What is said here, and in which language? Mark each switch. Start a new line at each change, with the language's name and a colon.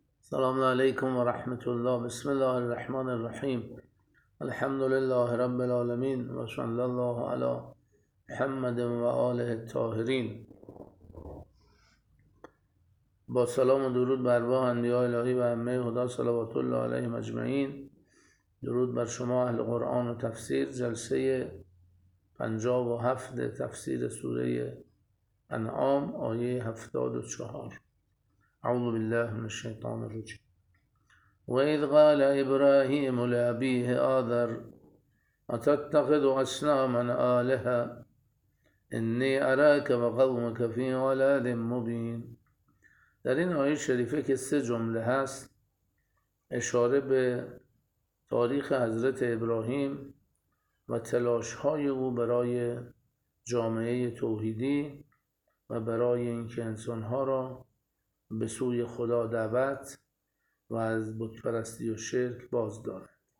Arabic: السلام عليكم ورحمة الله. بسم الله الرحمن الرحيم. الحمد لله رب العالمين، وصلى الله على محمد وآله الطاهرين.
Persian: با سلام و درود بر واه انبیاء الهی و همه خدا
Arabic: صلوات الله علیه مجمعین،
Persian: درود بر شما اهل قرآن و تفسیر. جلسه 57 تفسیر سوره انعام آیه 74.
Arabic: أعوذ بالله من الشيطان الرجيم. وإذ قال إبراهيم لأبيه آذر أتتخذ أصناما آلهة إني أراك وقومك في ضلال مبين.
Persian: در این آیه شریفه که سه جمله هست، اشاره به تاریخ حضرت ابراهیم و تلاش های او برای جامعه توحیدی و برای اینکه انسان ها را به سوی خدا دعوت و از بت‌پرستی و شرک باز دارد.